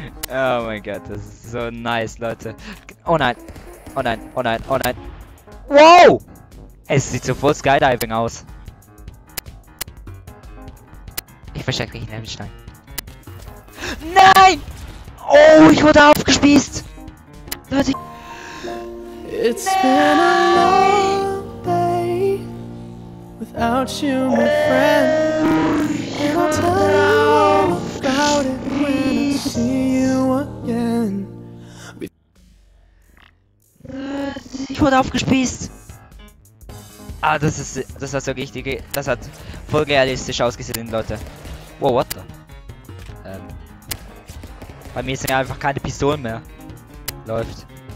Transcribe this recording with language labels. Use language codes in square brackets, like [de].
[de] Oh mein Gott, das ist so nice, Leute. Oh nein. Oh nein, oh nein, oh nein. Wow! Es sieht so voll Skydiving aus. Ich verstecke mich in den Stein. Nein! Oh, ich wurde aufgespießt! Leute! [en] It's been a long day without you, my friend. I'll tell you about it when I see you again. [de] Ich wurde aufgespießt. Ah, das hat so richtig, das hat voll realistisch ausgesehen, Leute. [en] Wow, what the? [de] Bei mir sind einfach keine Pistolen mehr. Läuft.